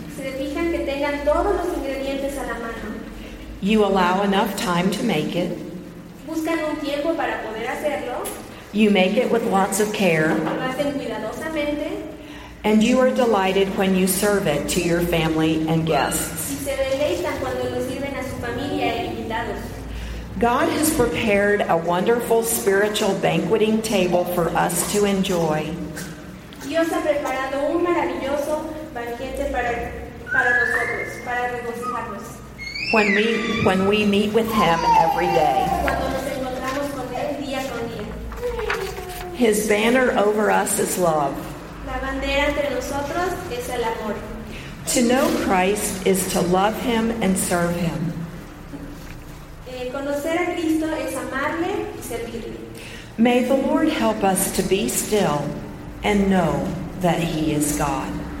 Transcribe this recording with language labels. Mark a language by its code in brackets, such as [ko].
[es] Se fijan que tengan todos los ingredientes a la mano. [en] You allow enough time to make it. [es] Buscan un tiempo para poder hacerlo. [en] You make it with lots of care. [es] Lo hacen cuidadosamente. [en] And you are delighted when you serve it to your family and guests. [es] Y se deleitan cuando lo sirven a su familia e invitados. [en] God has prepared a wonderful spiritual banqueting table for us to enjoy. [es] Dios ha preparado un maravilloso banquete para nosotros, para regocijarnos. [en] When we meet with Him every day. [es] Cuando nos encontramos con Él día con día. [en] His banner over us is love. [es] Entre nosotros es el amor. [en] To know Christ is to love Him and serve Him. [es] Conocer a Cristo es amarle y servirle. [en] May the Lord help us to be still and know that He is God.